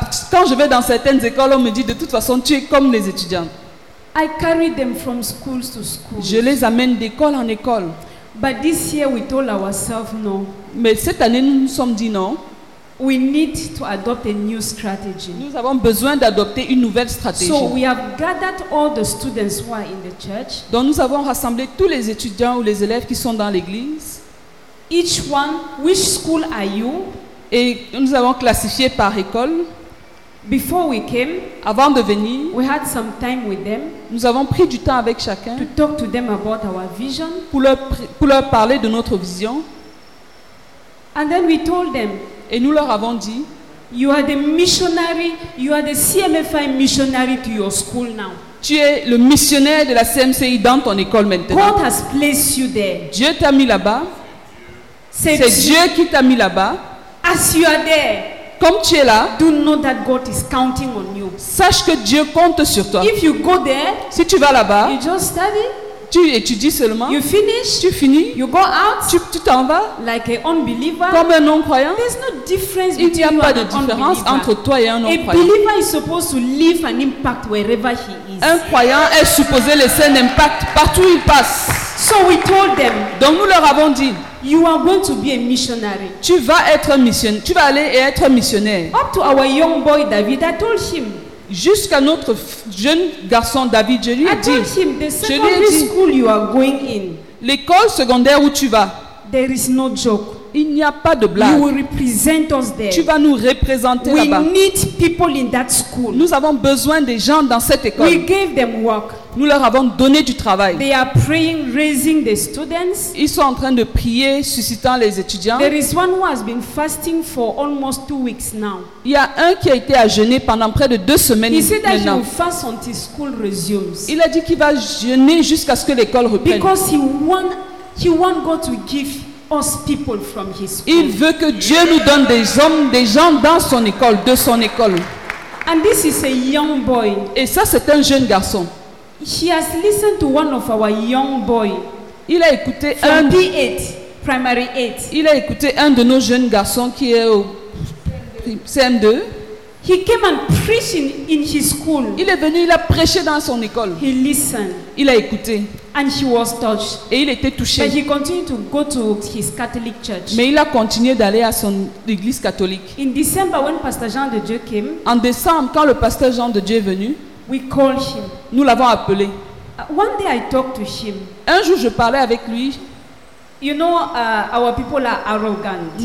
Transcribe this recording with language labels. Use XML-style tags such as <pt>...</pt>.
<fr>Quand je vais dans certaines écoles, on me dit, de toute façon, tu es comme les étudiants.</fr> <en>I carry them from schools to schools.</en> <fr>Je les amène d'école en école.</fr> <en>But this year we told ourselves no.</en> <fr>Mais cette année nous nous sommes dit non.</fr> <en>We need to adopt a new strategy.</en> <fr>Nous avons besoin d'adopter une nouvelle stratégie.</fr> <en>So we have gathered all the students who are in the church.</en> <fr>Donc nous avons rassemblé tous les étudiants ou les élèves qui sont dans l'église.</fr> <en>Each one, which school are you?</en> <fr>Et nous avons classifié par école.</fr> <en>Before we came,</en> <fr>avant de venir,</fr> <en>we had some time with them.</en> <fr>Nous avons pris du temps avec chacun.</fr> <en>To talk to them about our vision.</en> <fr>Pour leur parler de notre vision.</fr> <en>And then we told them.</en> <fr>Et nous leur avons dit,</fr> <en>you are the missionary, you are the CMFI missionary to your school now.</en> <fr>Tu es le missionnaire de la CMCI dans ton école maintenant.</fr> <en>God has placed you there.</en> <fr>Dieu t'a mis là-bas. C'est Dieu qui t'a mis là-bas.</fr> <en>As you are there.</en> <fr>Comme tu es là,</fr> <en>do know that God is counting on you.</en> <fr>Sache que Dieu compte sur toi.</fr> <en>If you go there,</en> <fr>si tu vas là-bas,</fr> <en>you just study.</en> <fr>Tu étudies seulement.</fr> <en>You finish.</en> <fr>Tu finis.</fr> <en>You go out.</en> <fr>Tu t'en vas.</fr> <en>Like an unbeliever.</en> <fr>Comme un non-croyant.</fr> <en>There's no difference.</en> <fr>Il n'y a pas de différence entre toi et un non-croyant.</fr> <en>A believer is supposed to leave an impact wherever he is.</en> <fr>Un croyant est supposé laisser un impact partout où il passe.</fr> <en>So we told them.</en> <fr>Donc nous leur avons dit.</fr> <en>You are going to be a missionary.</en> <fr>Tu vas être missionnaire. Tu vas aller et être missionnaire.</fr> <en>Up to our young boy David, I told him.</en> <fr>Jusqu'à notre jeune garçon David, je lui ai dit, l'école secondaire où tu vas,</fr> <en>there is no joke.</en> <fr>Il n'y a pas de blague.</fr> <en>You will represent us there.</en> <fr>Tu vas nous représenter</fr> <en>we</en> <fr>là-bas.</fr> <en>Need people in that school.</en> <fr>Nous avons besoin des gens dans cette école.</fr> <en>We gave them work.</en> <fr>Nous leur avons donné du travail.</fr> <en>They are praying, raising the students.</en> <fr>Ils sont en train de prier, suscitant les étudiants.</fr> <en>There is one who has been fasting for almost 2 weeks now.</en> <fr>Il y a un qui a été à jeûner pendant près de 2 semaines maintenant.</fr> <en>He said that he will fast until school resumes.</en> <fr>Il a dit qu'il va jeûner jusqu'à ce que l'école reprenne.</fr> <en>Because he want God to give us people from his school.</en> <fr>Il veut que Dieu nous donne des hommes, des gens dans son école, de son école.</fr> <en>And this is a young boy.</en> <fr>Et ça, c'est un jeune garçon.</fr> <en>He has listened to one of our young boys.</en> <fr>Il a écouté</fr> <en>from D8, primary 8.</en> <fr>Il a écouté un de nos jeunes garçons qui est au CM2.</fr> <en>He came and preached in his school.</en> <fr>Il est venu, il a prêché dans son école.</fr> <en>He listened.</en> <fr>Il a écouté.</fr> <en>And he was touched.</en> <fr>Et il était touché.</fr> <en>But he continued to go to his Catholic church.</en> <fr>Mais il a continué d'aller à son église catholique.</fr> <en>In December, when Pastor Jean de Dieu came,</en> <fr>en décembre, quand le pasteur Jean de Dieu est venu,</fr> <en>we called him.</en> <fr>Nous l'avons appelé.</fr> <en>One day I talked to him.</en> <fr>Un jour, je parlais avec lui.</fr> <en>You know, our people are arrogant.</en>